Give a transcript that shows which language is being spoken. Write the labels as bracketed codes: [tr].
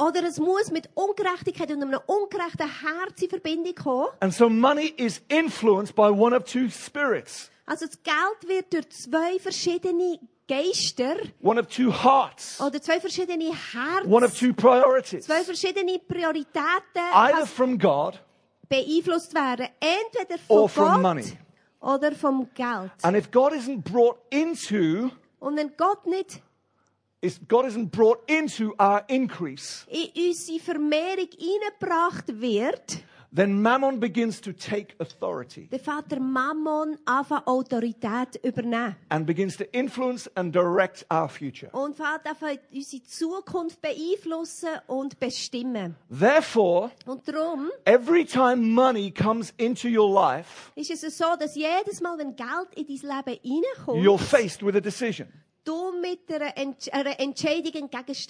[de] Oder es muss mit Ungerechtigkeit und einem ungerechten Herz in Verbindung kommen. [en] And so money is influenced by one of two spirits. [de] Also das Geld wird durch zwei verschiedene Geister. [en] One of two hearts. [de] Oder zwei verschiedene Herzen. [en] One of two priorities. [de] Zwei verschiedene Prioritäten. [en] Either from God. [de] Beeinflusst werden. Entweder von [en] or from [de] Gott. [en] Money. [de] Oder vom Geld. [en] And if God isn't brought into. [de] Und wenn Gott nicht. [en] If God isn't brought into our increase. [de] In unsere Vermehrung hineingebracht wird. [en] Then Mammon begins to take authority. [de] Der Vater Mammon anfängt Autorität übernehmen. [en] And begins to influence and direct our future. [de] Und Vater anfängt unsere Zukunft beeinflussen und bestimmen. [en] Therefore, [de] und drum, [en] every time money comes into your life, [de] ist es so, dass jedes Mal, wenn Geld in dein Leben hineinkommt, [en] you're faced with a decision. [de] Du mit einer Entscheidung entgegenstehst.